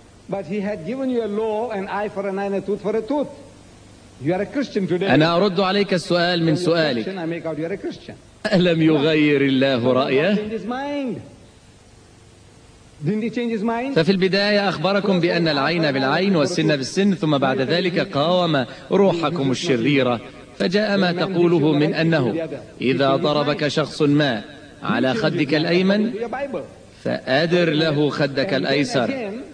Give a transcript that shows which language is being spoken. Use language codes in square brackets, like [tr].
[en] But he had given you a law, an eye for an eye and a tooth for a tooth. You are a Christian today. [ar] أنا أرد عليك السؤال من سؤالك. [en] I make out you are a Christian. [ar] ألم يغير الله رأيه؟ [en] Change his mind. Didn't he change his mind? [ar] ففي البداية أخبركم بأن العين بالعين والسن بالسن، ثم بعد ذلك قاوم روحكم الشريرة، فجاء ما تقوله من أنه إذا ضربك شخص ما على خدك الأيمن فأدر له خدك الأيسر.